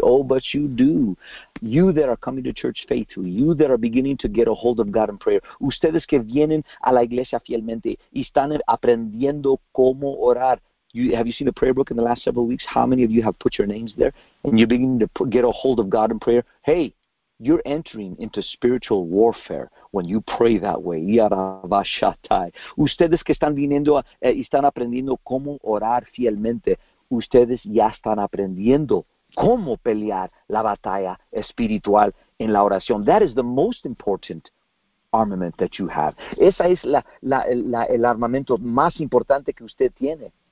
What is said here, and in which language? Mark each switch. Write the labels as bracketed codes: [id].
[en] Oh, but you do. You that are coming to church faithfully, you that are beginning to get a hold of God in prayer, [es] ustedes que vienen a la iglesia fielmente y están aprendiendo cómo orar. [en] Have you seen the prayer book in the last several weeks? How many of you have put your names there? And you're beginning to get a hold of God in prayer. Hey, you're entering into spiritual warfare when you pray that way. Yarabashatai. [es] Ustedes que están viniendo y están aprendiendo cómo orar fielmente, ustedes ya están aprendiendo cómo pelear la batalla espiritual en la oración. [en] That is the most important armament that you have. [es] Esa es el armamento más importante que usted tiene.